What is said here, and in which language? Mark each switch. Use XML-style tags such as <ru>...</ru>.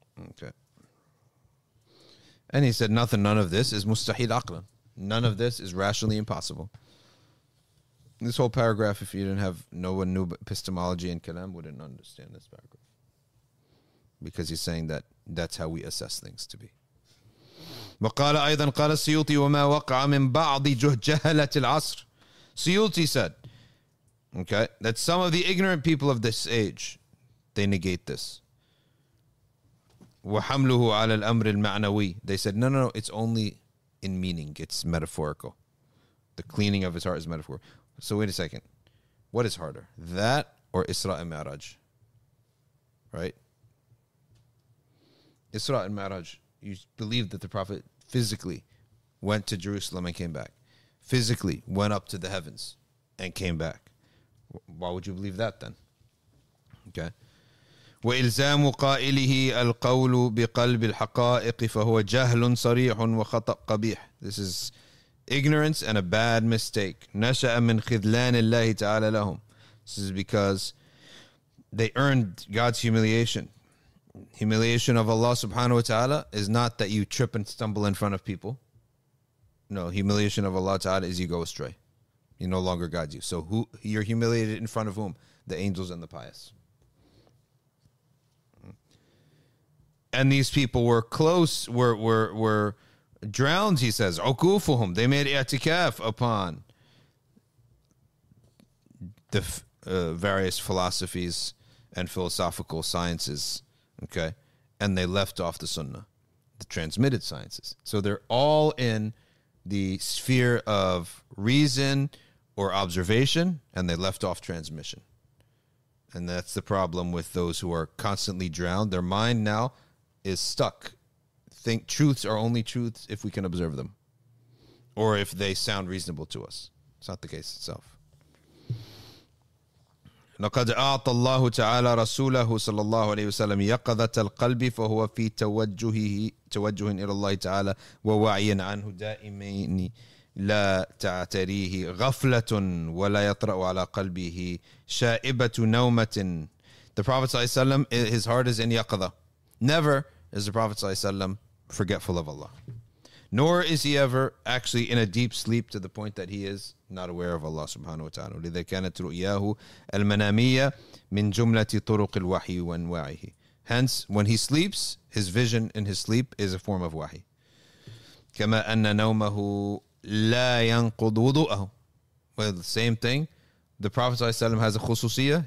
<en>Okay. And he said, none of this is mustahil aqlan. None of this is rationally impossible. This whole paragraph, if you didn't have, no one knew epistemology and kalam, wouldn't understand this paragraph. Because he's saying that that's how we assess things to be.</en> <ar>وقال أيضا قال السيوطي وما وقع من بعض جهلة العصر.</ar> <en>Suyuti said, okay, that some of the ignorant people of this age, they negate this.</en> <ar>وحمله على الأمر المعنوي.</ar> <en>They said, no, it's only in meaning, it's metaphorical. The cleaning of his heart is metaphorical. So wait a second. What is harder? That or Isra and Mi'raj? Right? Isra and Mi'raj. you believe that the Prophet physically went to Jerusalem and came back, physically went up to the heavens and came back. Why would you believe that then? Okay.</en> <ar>وإلزام قائله القول بقلب الحقائق فهو جهل صريح وخطأ قبيح.</ar> <en>This is ignorance and a bad mistake.</en> <ar>نشأ من خذلان الله تعالى لهم.</ar> <en>This is because they earned God's humiliation. Humiliation of Allah subhanahu wa ta'ala is not that you trip and stumble in front of people. No, humiliation of Allah ta'ala is you go astray. He no longer guides you. So who you're humiliated in front of whom? The angels and the pious. And these people were close, were drowned, he says. Ukufuhum. They made i'tikaf upon the various philosophies and philosophical sciences, okay? And they left off the sunnah, the transmitted sciences. So they're all in the sphere of reason or observation, and they left off transmission. And that's the problem with those who are constantly drowned. Their mind now is stuck. Think truths are only truths if we can observe them, or if they sound reasonable to us. It's not the case itself.</en> <ar>لقد أعطى الله تعالى رسوله صلى الله عليه وسلم يقظة القلب فهو في توجه إلى الله تعالى ووعي عنه دائمين لا تعتريه غفلة ولا يطرأ على قلبه شائبة نومة.</ar> <en>The Prophet صلى الله عليه وسلم, his heart is in يقظة. Never is the Prophet صلى الله عليه وسلم forgetful of Allah. Nor is he ever actually in a deep sleep to the point that he is not aware of Allah subhanahu wa ta'ala.</en> <ar>لذا كانت رؤياه المنامية من جملة طرق الوحي وانواعه.</ar> <en>Hence, when he sleeps, his vision in his sleep is a form of wahi.</en> <ar>كما أن نومه لا ينقض وضوءه.</ar> <en>Well, the same thing. The Prophet ﷺ has a khususiyah.</en>